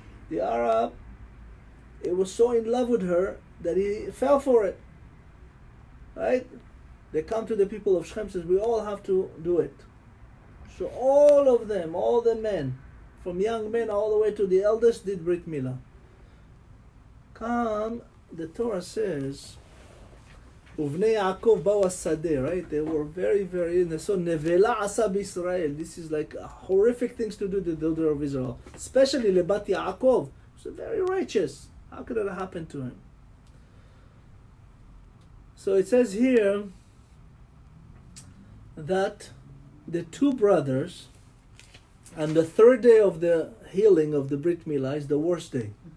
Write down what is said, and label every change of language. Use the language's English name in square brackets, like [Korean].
[English] The Arab, he was so in love with her that he fell for it. Right? They come to the people of Shechem, says, we all have to do it. So all of them, all the men, from young men all the way to the eldest, did Brit Milah. Come, the Torah says, [Hebrew] ובני יעקב באו השדה, [English] right? They were very, very, and they saw [Hebrew] נבלה עשה בישראל. [English] This is like a horrific things to do to the daughter of Israel. Especially [Hebrew] לבת יעקב. [English] So very righteous. How could it happen to him? So it says here that the two brothers, and the third day of the healing of the Brit Milah is the worst day.